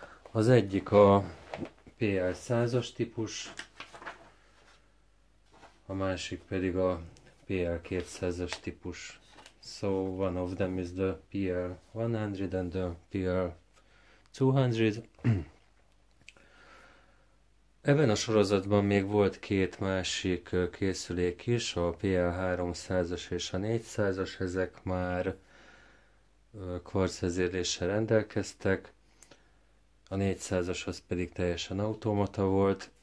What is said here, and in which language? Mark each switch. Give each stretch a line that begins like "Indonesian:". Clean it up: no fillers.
Hungarian: Az egyik a PL100-as típus, a másik pedig a PL200-as típus.
English: So one of them is the PL100 and the PL200.
Hungarian: Ebben a sorozatban még volt két másik készülék is, a PL300-as és a 400-as, ezek már kvarcvezérléssel rendelkeztek, a 400-as az pedig teljesen automata volt.